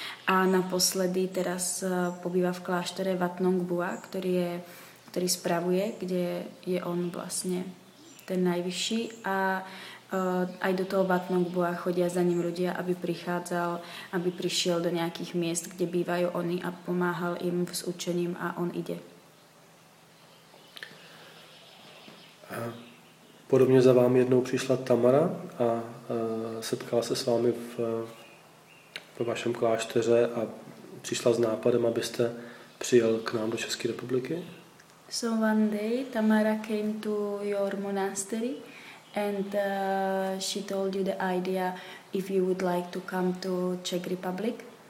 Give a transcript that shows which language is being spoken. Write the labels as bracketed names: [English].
[Slovak] A naposledy teraz pobýva v kláštore Wat Nong Bua, ktorý spravuje, kde je on vlastne ten najvyšší. A aj do toho Wat Nong Bua chodia za ním ľudia, aby prišiel do nejakých miest, kde bývajú oni a pomáhal im s učením a on ide. [Czech] Podobne za vám jednou prišla Tamara a setkala sa s vámi v vašem klášteře a prišla s nápadem, aby ste přijel k nám do Českej republiky? [English] So one day Tamara came to your monastery and she told you the idea if you would like to come to Czech Republic?